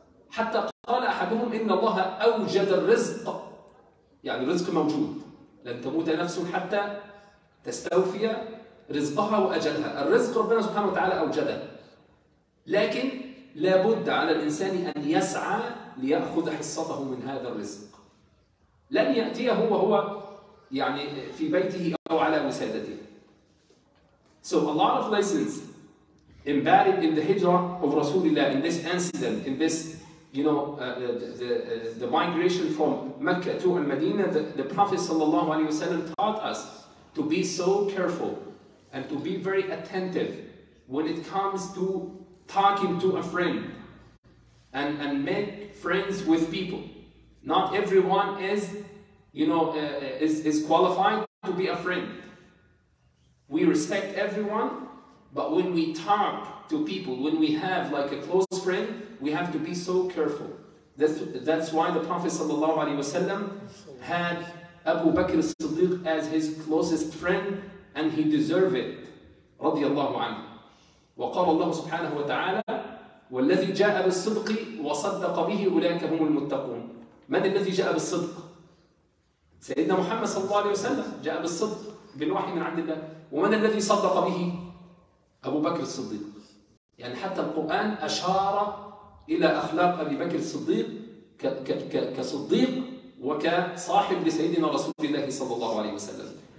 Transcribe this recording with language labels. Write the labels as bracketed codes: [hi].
[ar] حتى قال أحدهم إن الله أوجد الرزق، يعني الرزق موجود، لن تموت نفس حتى تستوفي رزقها وأجلها. الرزق ربنا سبحانه وتعالى أوجده، لكن لا بد على الإنسان أن يسعى ليأخذ حصته من هذا الرزق. لن يأتيه وهو يعني في بيته أو على وسادته. [en] So a lot of lessons embedded in the hijrah of Rasulullah, in this incident, in this, you know, the migration from Mecca to Al-Madinah, the Prophet sallallahu alayhi wa sallam taught us to be so careful and to be very attentive when it comes to talking to a friend and make friends with people. Not everyone is, you know, is qualified to be a friend. We respect everyone, but when we talk to people, when we have like a close friend, we have to be so careful. That's why the Prophet sallallahu alaihi wasallam had Abu Bakr as-Siddiq as his closest friend, and he deserved it. [ar] Radiallahu anhu. وقال الله سبحانه وتعالى والذي جاء بالصدق وصدق به أولئك هم المتقون. من الذي جاء بالصدق؟ سيدنا محمد صلى الله عليه وسلم جاء بالصدق بالوحي من عند الله. ومن الذي صدق به؟ أبو بكر الصديق. يعني حتى القرآن أشار إلى أخلاق أبي بكر الصديق كصديق وكصاحب لسيدنا رسول الله صلى الله عليه وسلم.